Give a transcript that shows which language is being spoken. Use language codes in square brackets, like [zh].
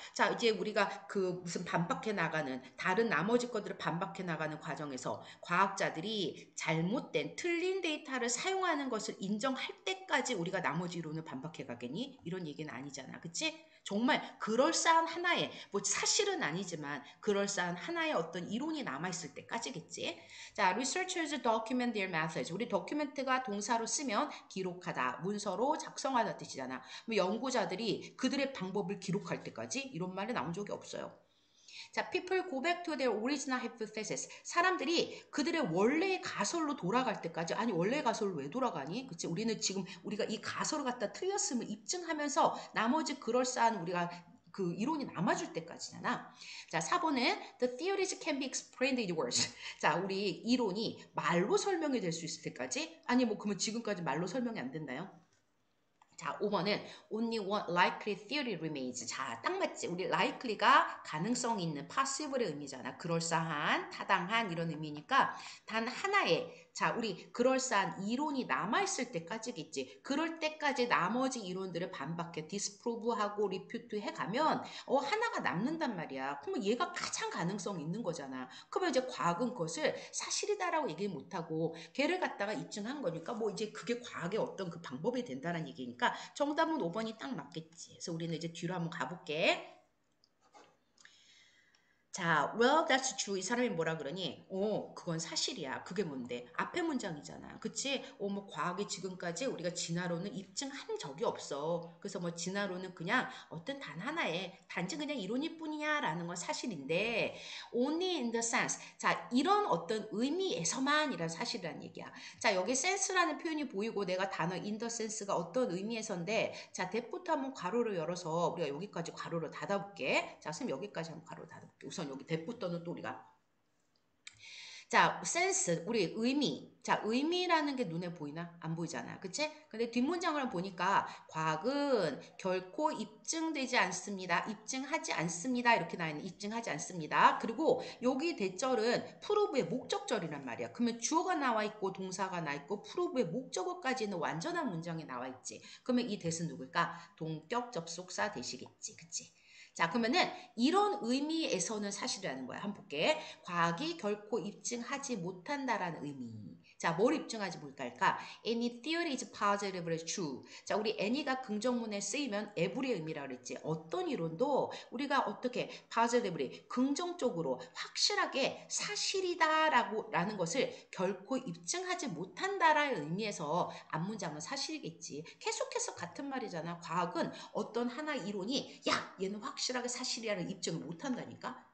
[ko] 자, 이제 우리가 그 무슨 반박해 나가는 다른 나머지 것들을 반박해 나가는 과정에서 과학자들이 잘못된 틀린 데이터를 사용하는 것을 인정할 때까지 우리가 나머지 이론을 반박해 가겠니? 이런 얘기는 아니잖아. 그치? 정말 그럴싸한 하나의 뭐 사실은 아니지만 그럴싸한 하나의 어떤 이론이 남아있을 때까지겠지? [en] 자, researchers document their methods. [ko] 우리 document가 동사로 쓰면 기록하다, 문서로 작성하다 뜻이잖아. 뭐 연구자들이 그들의 방법을 기록할 때까지 이런 말이 나온 적이 없어요. [en] 자, people go back to their original hypothesis. [ko] 사람들이 그들의 원래의 가설로 돌아갈 때까지, 아니, 원래 가설로 왜 돌아가니? 그치? 우리는 지금 우리가 이 가설을 갖다 틀렸음을 입증하면서 나머지 그럴싸한 우리가 그 이론이 남아줄 때까지잖아. 자, 4번은 [en] the theories can be explained in words. [ko] 자, 우리 이론이 말로 설명이 될수 있을 때까지? 아니, 뭐, 그러면 지금까지 말로 설명이 안 됐나요? 자, 5번은 [en] only one likely theory remains. [ko] 자, 딱 맞지? 우리 likely가 가능성 있는 possible의 의미잖아. 그럴싸한, 타당한 이런 의미니까 단 하나의, 자, 우리 그럴싸한 이론이 남아있을 때까지겠지. 그럴 때까지 나머지 이론들을 반박해 disprove하고 refute 해가면 하나가 남는단 말이야. 그러면 얘가 가장 가능성 있는 거잖아. 그러면 이제 과학은 그것을 사실이다라고 얘기 못하고 걔를 갖다가 입증한 거니까 뭐 이제 그게 과학의 어떤 그 방법이 된다는 얘기니까 정답은 5번이 딱 맞겠지. 그래서 우리는 이제 뒤로 한번 가볼게. 자, [en] well, that's true. [ko] 이 사람이 뭐라 그러니? 오, 그건 사실이야. 그게 뭔데? 앞에 문장이잖아. 그치? 오, 뭐, 과학이 지금까지 우리가 진화론을 입증한 적이 없어. 그래서 뭐, 진화론은 그냥 어떤 단 하나에, 단지 그냥 이론일 뿐이야. 라는 건 사실인데, [en] only in the sense. [ko] 자, 이런 어떤 의미에서만 이란 사실이란 얘기야. 자, 여기 sense라는 표현이 보이고, 내가 단어 in the sense가 어떤 의미에서인데, 자, that부터 한번 괄호를 열어서, 우리가 여기까지 괄호를 닫아볼게. 자, 선생님 여기까지 한번 괄호 닫아볼게. 우선 여기 that부터는 또 우리가 자 sense 우리 의미 자 의미라는 게 눈에 보이나 안 보이잖아 그치? 근데 뒷문장을 보니까 과학은 결코 입증되지 않습니다 입증하지 않습니다 이렇게 나와 있는 입증하지 않습니다 그리고 여기 대절은 prove의 목적절이란 말이야 그러면 주어가 나와 있고 동사가 나 있고 prove의 목적어까지는 완전한 문장이 나와 있지 그러면 이 대신 누굴까? 동격 접속사 되시겠지 그치? 자, 그러면은 이런 의미에서는 사실이라는 거야. 한번 볼게. 과학이 결코 입증하지 못한다라는 의미. 자, 뭘 입증하지 못할까? [en] Any theory is positive or true. [ko] 자, 우리 any가 긍정문에 쓰이면 every의 의미라고 그랬지. 어떤 이론도 우리가 어떻게 positively, 긍정적으로 확실하게 사실이다라고 라는 것을 결코 입증하지 못한다라는 의미에서 앞 문장은 사실이겠지. 계속해서 같은 말이잖아. 과학은 어떤 하나 이론이 야, 얘는 확실하게 사실이라는 입증을 못한다니까?